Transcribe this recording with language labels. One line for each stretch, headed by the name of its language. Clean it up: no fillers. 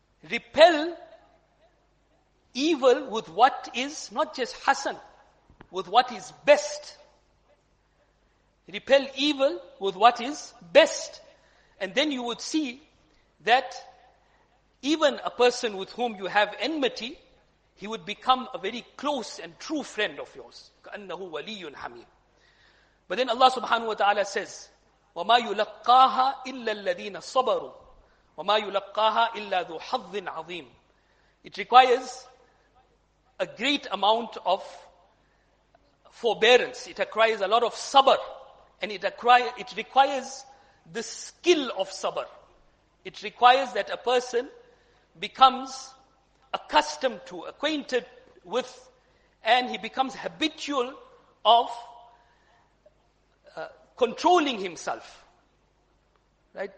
English: Repel evil with what is not just hasan, with what is best. Repel evil with what is best. And then you would see that even a person with whom you have enmity, he would become a very close and true friend of yours.
Arabic: كَأَنَّهُ وَلِيٌّ حَمِيمٌ.
English: But then Allah subhanahu wa ta'ala says,
Arabic: وَمَا يُلَقَّاهَا إِلَّا الَّذِينَ صَبَرُوا وَمَا يُلَقَّاهَا إِلَّا ذُو حَظٍ عَظِيمٍ.
English: It requires a great amount of forbearance. It requires a lot of sabr. And it requires the skill of sabr. It requires that a person becomes accustomed to, acquainted with, and he becomes habitual of controlling himself. Right?